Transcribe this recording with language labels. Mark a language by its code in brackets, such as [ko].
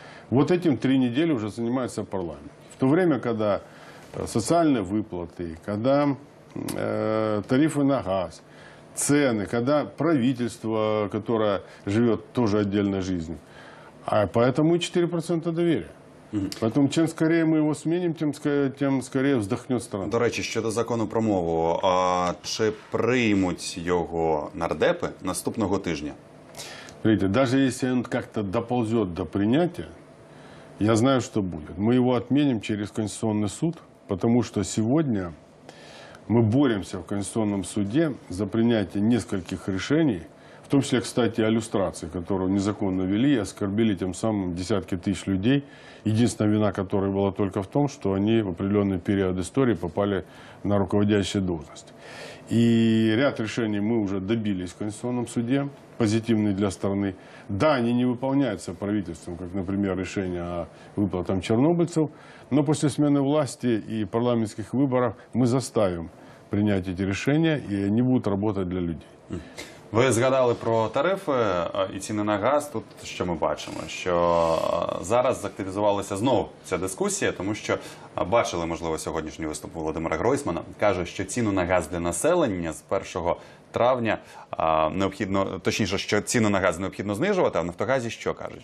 [ru] Вот этим три недели уже занимается парламент. В то время, когда социальные выплаты, когда тарифы на газ, цены, когда правительство, которое живет тоже отдельной жизнью. А поэтому и 4% доверия. Поэтому чем скорее мы его сменим, тем скорее вздохнет страна. [uk] До речі, щодо закону про мову, а чи приймуть його нардепи наступного тижня? [ru] Смотрите, даже если он как-то доползет до принятия, я знаю, что будет. Мы его отменим через Конституционный суд, потому что сегодня мы боремся в Конституционном суде за принятие нескольких решений, в том числе, кстати, о люстрации, которую незаконно ввели и оскорбили тем самым десятки тысяч людей. Единственная вина которой была только в том, что они в определенный период истории попали на руководящую должность. И ряд решений мы уже добились в Конституционном суде, позитивные для страны. Да, они не выполняются правительством, как, например, решение о выплатах чернобыльцев, но после смены власти и парламентских выборов мы заставим принять эти решения, и они будут работать для людей. [uk] Ви згадали про тарифи і ціни на газ. Тут що ми бачимо? Що зараз активізувалася знову ця дискусія, тому що бачили, можливо, сьогоднішній виступ Володимира Гройсмана. Каже, що ціну на газ для населення з 1 травня необхідно, точніше, що ціну на газ необхідно знижувати, а в Нафтогазі що кажуть?